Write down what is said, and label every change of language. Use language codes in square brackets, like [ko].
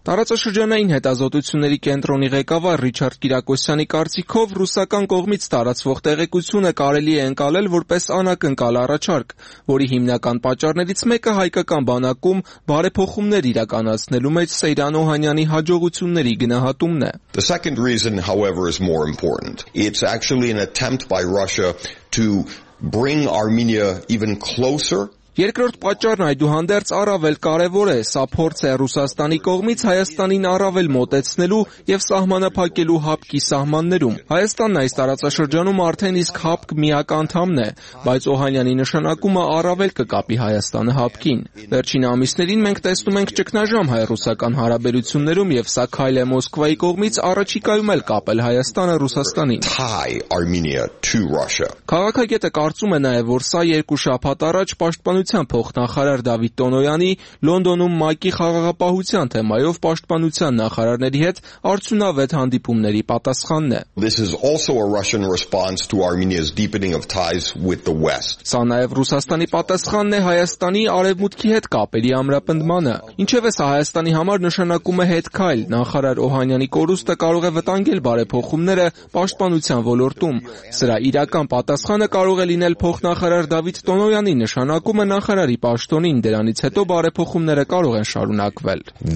[hy] Տարածաշրջանային հետազոտությունների կենտրոնի ղեկավար Ռիչարդ Կիրակոսյանի կարծիքով, ռուսական կողմից տարածվող տեղեկությունը կարելի է ընկալել որպես անակնկալ առաջարկ, որի հիմնական պատճառներից մեկը հայկական բանակում բարեփոխումներ իրականացնելու մեջ Սեյրան Օհանյանի հաջողությունների գնահատումն է։ [en] The second reason, however, is more important. It's actually an attempt by Russia to bring Armenia even closer. [hy] Երկրորդ պատճառն այդուհանդերձ առավել կարևոր է, սա փորձ է Ռուսաստանի կողմից Հայաստանին առավել մոտեցնելու և սահմանափակելու ՀԱՊԿ-ի սահմաններում։ Հայաստանն այս տարածաշրջանում արդեն իսկ ՀԱՊԿ միակ անդամն է, բայց Օհանյանի նշանակումը առավել կկապի Հայաստանը ՀԱՊԿ-ին։ Վերջին ամիսներին մենք տեսնում ենք ճգնաժամ հայ-ռուսական հարաբերություններում, և սա քայլ է Մոսկվայի կողմից առաջիկայում էլ կապել Հայաստանը Ռուսաստանին։ Քաղաքագետը կարծում է նաև, որ սա երկու շաբաթ առաջ պաշտպանության փոխնախարար Դավիթ Տոնոյանի Լոնդոնում ՄԱԿ-ի խաղաղապահության թեմայով պաշտպանության նախարարների հետ արդյունավետ հանդիպումների պատասխանն է։ [en] This is also a Russian response to Armenia's deepening of ties with the West. [hy] Սա նաև Ռուսաստանի պատասխանն է Հայաստանի արևմուտքի հետ կապերի ամրապնդմանը։ Ինչևէ, սա Հայաստանի համար նշանակում է հետքայլ, նախարար Օհանյանի կորուստը կարող է վտանգել բարեփոխումները պաշտպանության ոլորտում։ Սրա իրական պատասխանը կարող է լինել փոխնախարար Դավիթ Տոնոյանի նշանակումը նախարարի պաշտոնին, դրանից հետո բարեփոխումները կարող են շարունակվել։